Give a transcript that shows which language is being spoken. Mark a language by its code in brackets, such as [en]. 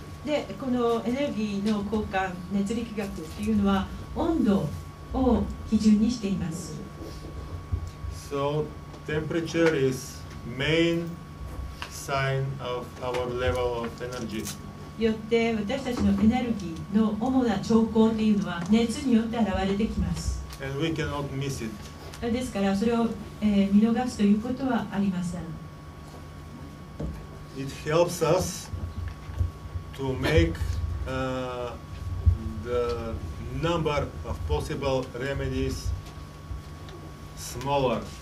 [ja] で、このエネルギーの交換、熱力学というのは温度を基準にしています。 [en] So, temperature is main sign of our level of energy. [ja] よって私たちのエネルギーの主な兆候というのは熱によって現れてきます。 [en] And we cannot miss it. [ja] ですからそれを、見逃すということはありません。 [en] It helps us to make the number of possible remedies smaller.